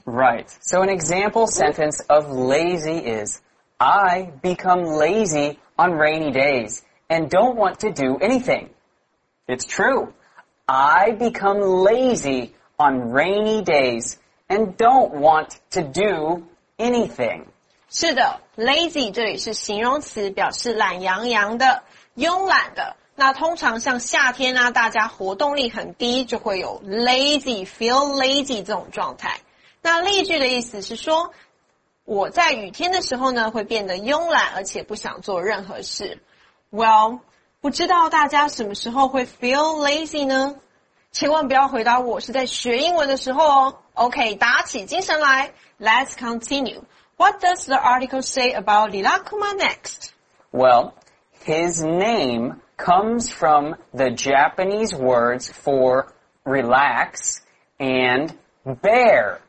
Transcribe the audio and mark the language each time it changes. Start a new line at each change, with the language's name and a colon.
English: Right, so an example sentence of lazy is, I become lazy on rainy days and don't want to do anything. It's true. I become lazy on rainy days and don't want to do anything.
Chinese: 是的 ,lazy 这里是形容词表示懒洋洋的慵懒的。那通常像夏天啊大家活动力很低就会有 lazy, feel lazy 这种状态。那例句的意思是说我在雨天的时候呢会变得慵懒而且不想做任何事。 Well,不知道大家什么时候会 feel lazy 呢？千万不要回答我是在学英文的时候哦。 OK, 打起精神来。
English: Let's continue. What does the article say about Rilakkuma next? Well, his name comes from the Japanese words for relax and bear.